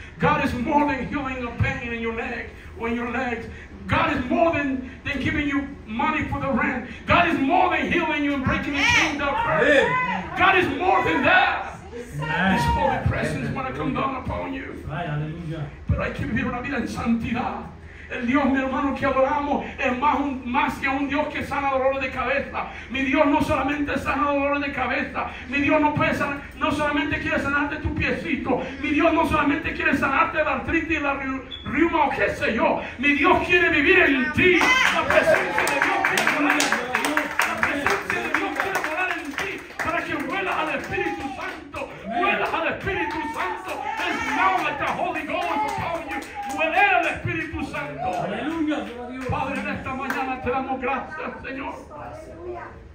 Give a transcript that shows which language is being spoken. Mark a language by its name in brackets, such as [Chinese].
[English] God is more than healing a pain in your neck or in your legs. God is more than giving you money for the rent. God is more than healing you and breaking your kingdom. God is more than that. This holy presence want to come down upon you. [Spanish] But hay que vivir una vida en santidad. El Dios, mi hermano, que adoramos es más que un Dios que sana dolores de cabeza. Mi Dios no solamente sana dolores de cabeza. Mi Dios no pesa, no solamente quiere sanarte tu piecito. Mi Dios no solamente quiere sanarte la artritis y la reuma o qué sé yo. Mi Dios quiere vivir en ti. La presencia de Dios quiere volar en ti. La presencia de Dios quiere volar en ti. Para que vuelas al Espíritu Santo. Vuelas al Espíritu Santo. [English] It's now that the Holy Ghost is upon you. [Spanish] Huelera al Espíritu Santo. Aleluya. Padre, en esta mañana te damos gracias, Señor.